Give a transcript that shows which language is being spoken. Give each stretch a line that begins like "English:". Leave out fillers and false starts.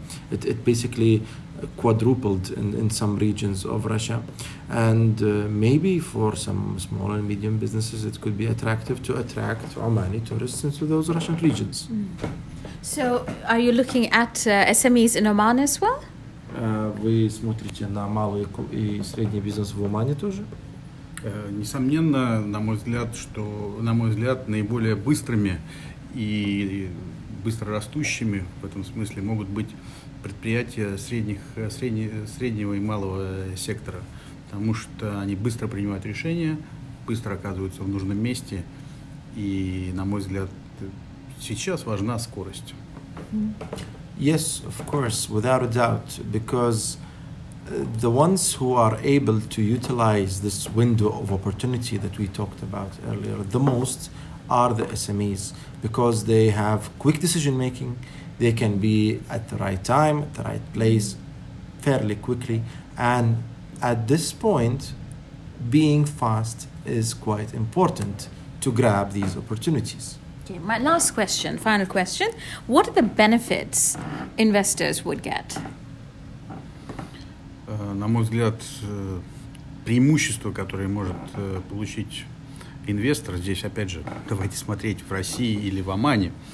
English: It basically quadrupled in some regions of Russia. And maybe for some small and medium businesses, it could be attractive to attract Omani tourists into those Russian regions. So are you looking at SMEs in Oman as well?
Russian: Вы смотрите на малый и средний бизнес в Омане тоже? Несомненно, на мой взгляд, что, на мой взгляд, наиболее быстрыми и быстро растущими в этом смысле могут быть предприятия среднего и малого сектора, потому что они быстро принимают решения, быстро оказываются в нужном месте, и, на мой взгляд, сейчас важна скорость.
English: Yes, of course, without a doubt, because the ones who are able to utilize this window of opportunity that we talked about earlier the most are the SMEs, because they have quick decision making, they can be at the right time, at the right place, fairly quickly, and at this point, being fast is quite important to grab these opportunities. Okay, my last question, final question, what are the benefits investors would get?
Russian: На мой взгляд, преимущество, которое может получить инвестор, здесь, опять же, давайте смотреть в России или в Омане.